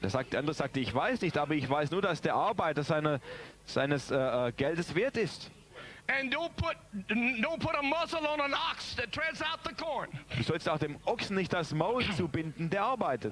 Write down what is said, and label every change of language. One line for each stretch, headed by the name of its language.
German: Der andere sagte, ich weiß nicht, aber ich weiß nur, dass der Arbeiter seines Geldes wert ist.
English: And don't put a muzzle on an ox that treads out the corn.
German: Du sollst auch dem Ochsen nicht das Maul zubinden, der arbeitet.